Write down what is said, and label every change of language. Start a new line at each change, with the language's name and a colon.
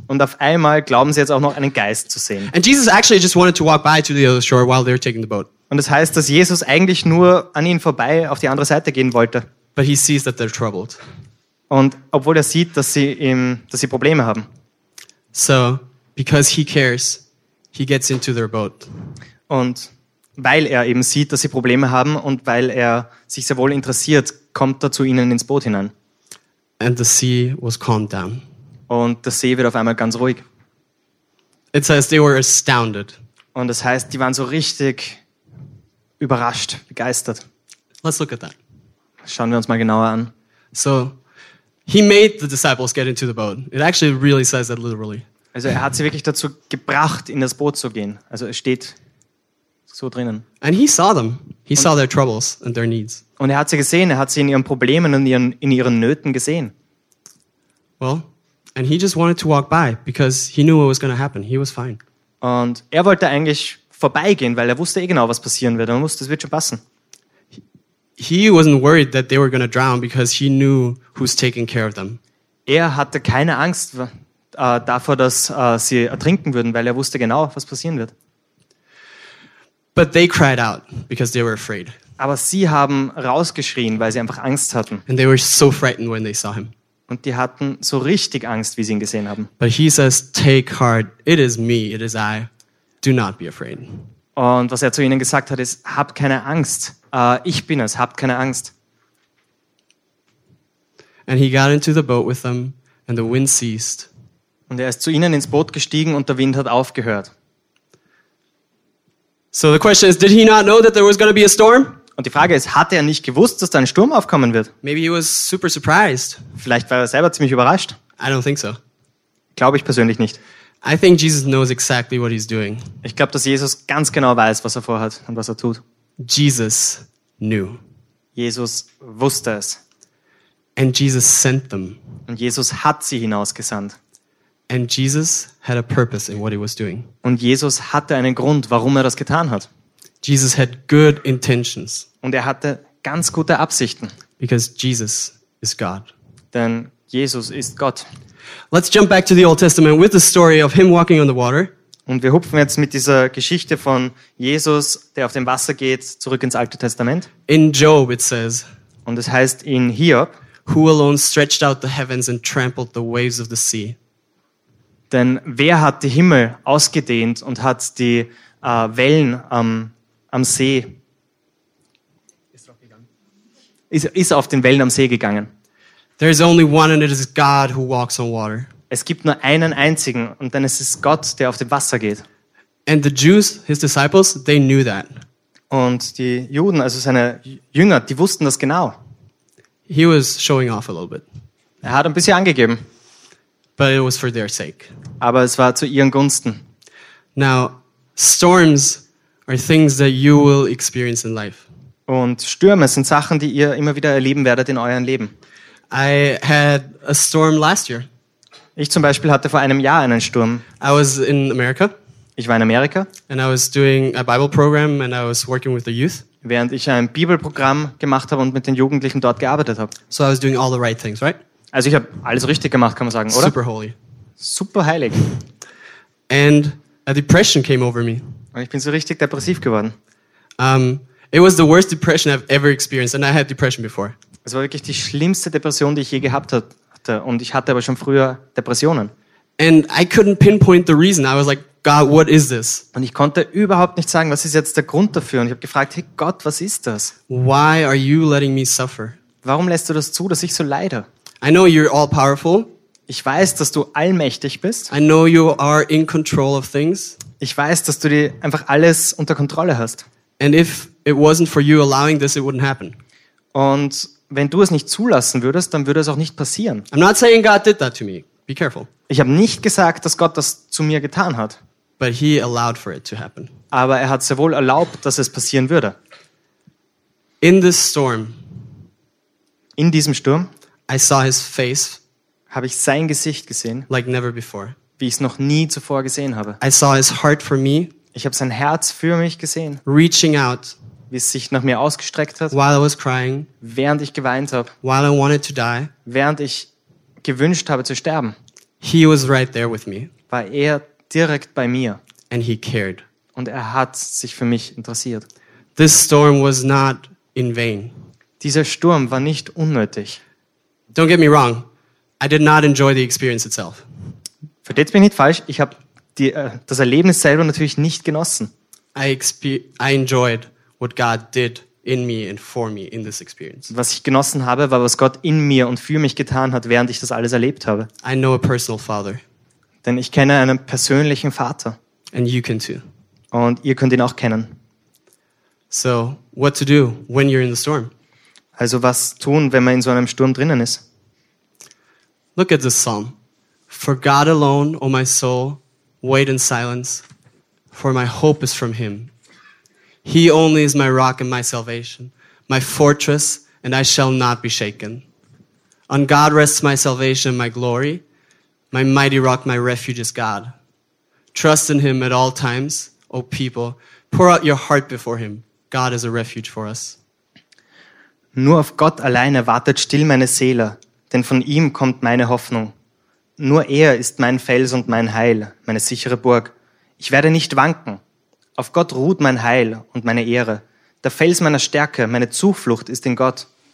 German: Und auf einmal glauben sie jetzt auch noch einen Geist zu sehen.
English: And Jesus actually just wanted to walk by to the other shore while they were taking the boat.
German: Und das heißt, dass Jesus eigentlich nur an ihnen vorbei auf die andere Seite gehen wollte.
English: But he sees that they're troubled.
German: Und obwohl er sieht, dass sie Probleme haben.
English: So, because he cares, he gets into their boat.
German: Und weil er eben sieht, dass sie Probleme haben und weil er sich sehr wohl interessiert, kommt er zu ihnen ins Boot hinein.
English: And the sea was calmed down.
German: Und der See wird auf einmal ganz ruhig.
English: It says they were astounded.
German: Und das heißt, die waren so richtig überrascht, begeistert.
English: Let's look at that.
German: Schauen wir uns mal genauer an.
English: So, he made the disciples get into the boat. It actually really says that literally.
German: Also er hat sie wirklich dazu gebracht, in das Boot zu gehen. Also es steht so drinnen.
English: And he saw them. He saw their troubles and their needs.
German: Und er hat sie gesehen. Er hat sie in ihren Problemen und in ihren Nöten gesehen.
English: Well, and he just wanted to walk by because he knew what was going to happen. He was fine.
German: Und er wollte eigentlich vorbeigehen, weil er wusste eh genau, was passieren wird. Er wusste, es wird schon passen.
English: He wasn't worried that they were going to drown because he knew who's taking care of them.
German: Er hatte keine Angst davor, dass sie ertrinken würden, weil er wusste genau, was passieren wird.
English: But they cried out because they were afraid.
German: Aber sie haben rausgeschrien, weil sie einfach Angst hatten.
English: And they were so frightened when they saw him.
German: Und die hatten so richtig Angst, wie sie ihn gesehen haben.
English: But he says, "Take heart, it is me, it is I. Do not be afraid."
German: Und was er zu ihnen gesagt hat, ist, habt keine Angst. Ich bin es, habt keine Angst.
English: And he got into the boat with them and the wind ceased.
German: Und er ist zu ihnen ins Boot gestiegen und der Wind hat aufgehört.
English: So the question is, did he not know that there was going to be a storm?
German: Und die Frage ist, hatte er nicht gewusst, dass da ein Sturm aufkommen wird?
English: Maybe he was super surprised.
German: Vielleicht war er selber ziemlich überrascht.
English: I don't think so.
German: Glaube ich persönlich nicht.
English: I think Jesus knows exactly what he's doing.
German: Ich glaube, dass Jesus ganz genau weiß, was er vorhat und was er tut.
English: Jesus knew.
German: Jesus wusste es.
English: And Jesus sent them.
German: Und Jesus hat sie hinausgesandt.
English: And Jesus had a purpose in what he was doing.
German: Und Jesus hatte einen Grund, warum er das getan hat.
English: Jesus had good intentions.
German: Und er hatte ganz gute Absichten.
English: Because Jesus is God.
German: Denn Jesus ist Gott.
English: Let's jump back to the Old Testament with the story of him walking on the water.
German: Und wir hupfen jetzt mit dieser Geschichte von Jesus, der auf dem Wasser geht, zurück ins Alte Testament.
English: In Job it says.
German: Und es heißt in Hiob.
English: Who alone stretched out the heavens and trampled the waves of the sea?
German: Denn wer hat die Himmel ausgedehnt und hat die Wellen am See? Ist auf den Wellen am See gegangen?
English: There is only one and it is God who walks on water.
German: Es gibt nur einen einzigen und dann ist es Gott, der auf dem Wasser geht.
English: And the Jews, his disciples, they knew that.
German: Und die Juden, also seine Jünger, die wussten das genau.
English: He was showing off a little bit.
German: Er hat ein bisschen angegeben.
English: But it was for their sake.
German: Aber es war zu ihren Gunsten.
English: Now, storms are things that you will experience in life.
German: Und Stürme sind Sachen, die ihr immer wieder erleben werdet in eurem Leben.
English: I had a storm last year.
German: Ich zum Beispiel hatte vor einem Jahr einen Sturm.
English: I was in America.
German: Ich war in Amerika.
English: And I was doing a Bible program and I was working with the youth.
German: Während ich ein Bibelprogramm gemacht habe und mit den Jugendlichen dort gearbeitet habe.
English: So I was doing all the right things, right?
German: Also ich habe alles richtig gemacht, kann man sagen, oder?
English: Super holy.
German: Super heilig.
English: And a depression came over me.
German: Und ich bin so richtig depressiv geworden.
English: It was the worst depression I've ever experienced and I had depression before.
German: Es war wirklich die schlimmste Depression, die ich je gehabt hatte. Und ich hatte aber schon früher Depressionen.
English: And I couldn't pinpoint the reason. I was like, God, what is this?
German: Und ich konnte überhaupt nicht sagen, was ist jetzt der Grund dafür? Und ich habe gefragt, hey Gott, was ist das?
English: Why are you letting me suffer?
German: Warum lässt du das zu, dass ich so leide?
English: I know you're all powerful.
German: Ich weiß, dass du allmächtig bist.
English: I know you are in control of things.
German: Ich weiß, dass du dir einfach alles unter Kontrolle hast.
English: And if it wasn't for you allowing this, it wouldn't happen.
German: Und wenn du es nicht zulassen würdest, dann würde es auch nicht passieren.
English: I'm not saying God did that to me. Be careful.
German: Ich habe nicht gesagt, dass Gott das zu mir getan hat.
English: But he allowed for it to happen.
German: Aber er hat sehr wohl erlaubt, dass es passieren würde.
English: In this storm,
German: in diesem Sturm,
English: I saw his face,
German: habe ich sein Gesicht gesehen,
English: like never before,
German: wie ich es noch nie zuvor gesehen habe.
English: I saw his heart for me,
German: ich habe sein Herz für mich gesehen,
English: reaching out,
German: wie es sich nach mir ausgestreckt hat.
English: While I was crying,
German: während ich geweint habe.
English: While I wanted to die,
German: während ich gewünscht habe zu sterben.
English: He was right there with me.
German: War er direkt bei mir.
English: And he cared.
German: Und er hat sich für mich interessiert.
English: This storm was not in vain.
German: Dieser Sturm war nicht unnötig.
English: Don't get me wrong. I did not enjoy the experience itself.
German: Versteht mich nicht falsch, ich habe das Erlebnis selber natürlich nicht genossen.
English: I enjoyed what God did in me and for me in this experience.
German: Was ich genossen habe, war was Gott in mir und für mich getan hat, während ich das alles erlebt habe.
English: I know a personal father.
German: Denn ich kenne einen persönlichen Vater.
English: And you can too.
German: Und ihr könnt ihn auch kennen.
English: So, what to do when you're in the storm?
German: Also, was tun, wenn man in so einem Sturm drinnen ist?
English: Look at this psalm. For God alone, O my soul, wait in silence, for my hope is from him. He only is my rock and my salvation, my fortress, and I shall not be shaken. On God rests my salvation and my glory, my mighty rock, my refuge is God. Trust in him at all times, O people, pour out your heart before him. God is a refuge for us.
German: Nur auf Gott alleine wartet still meine Seele, denn von ihm kommt meine Hoffnung. Nur er ist mein Fels und mein Heil, meine sichere Burg. Ich werde nicht wanken. Auf Gott ruht mein Heil und meine Ehre. Der Fels meiner Stärke, meine Zuflucht ist in Gott.